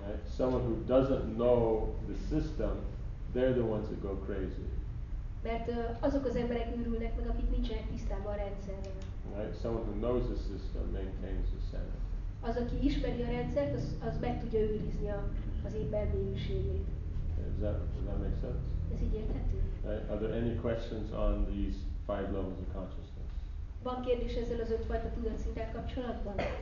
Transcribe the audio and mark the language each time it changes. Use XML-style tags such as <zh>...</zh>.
<en>Right. Someone who doesn't know the system, they're the ones that go crazy.</en> <hu>Mert azok az emberek őrülnek meg, akik nincsenek tisztában a rendszerrel.</hu> <en>Right. Someone who knows the system maintains the sanity.</en> <hu>Az, aki ismeri a rendszert, az meg tudja őrizni az én belmélyűségét.</hu> <en>Does that make sense?</en> <hu>Ez így érthető?</hu> <en>Are there any questions on these five levels of consciousness?</en> <hu>Van kérdés ezzel az ötfajta tudatszinttel kapcsolatban?</hu>